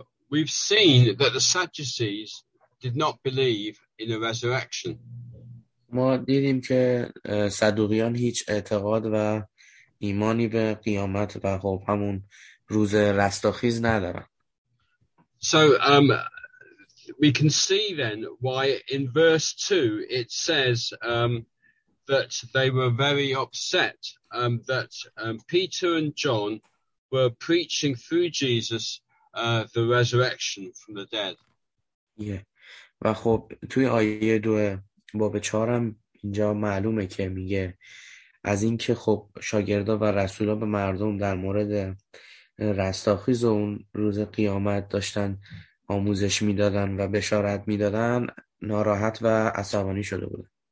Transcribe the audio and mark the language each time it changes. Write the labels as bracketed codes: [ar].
[en] We've seen that the Sadducees did not believe in a resurrection. [fa] ما دیدیم که صدوقیان هیچ اعتقاد و ایمانی به قیامت و خب همون روز رستاخیز ندارن. [en] So we can see then why in verse 2 it says that they were very upset that Peter and John were preaching through Jesus the resurrection from the dead. Yeah. [fa] و خب توی آیه 2 باب 4 هم اینجا معلومه که میگه از اینکه خب شاگردا و رسولا به مردم در مورد رستاخیز و اون روز قیامت داشتن آموزش میدادن و بشارت میدادن ناراحت و عصبانی شده بود.